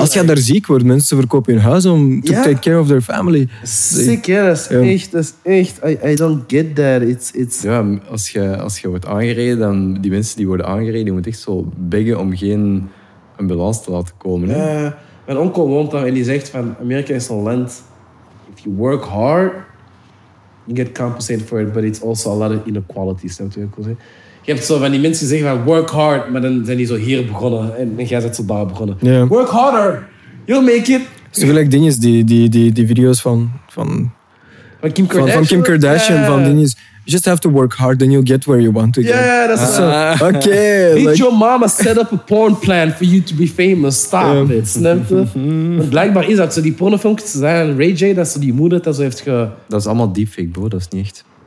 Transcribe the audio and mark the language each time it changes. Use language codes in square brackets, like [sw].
[nl] Als je daar ziek wordt, mensen verkopen hun huis om [en] to take care of their family. [nl] Sick, ja, dat is echt. [en] I don't get that. It's... [nl] Ja, als je wordt aangereden, dan die mensen die worden aangereden, die moeten echt zo beggen om geen ambulance te laten komen. Ja, mijn onkel woont daar en die zegt van Amerika is een land. [en] If you work hard, you get compensated for it, but it's also a lot of inequality. [nl] Snap je wat ik wil zeggen? Je hebt zo van die mensen die zeggen van [en] work hard, [nl] maar dan zijn die zo hier begonnen en jij bent zo daar begonnen. [en] Yeah. Work harder, you'll make it. [nl] Zo gelijk dinges, die video's van Kim Kardashian. Van Kim Kardashian, van dinges. [en] You just have to work hard, then you'll get where you want to go. Yeah, that's so. Oké. Okay, like, your mama set up a porn plan for you to be famous. [nl] Stop it, snap je? Blijkbaar is dat zo, die pornofilmpjes zijn Ray J, dat ze die moeder dat zo heeft ge... Dat is allemaal deepfake, bro, dat is niet echt.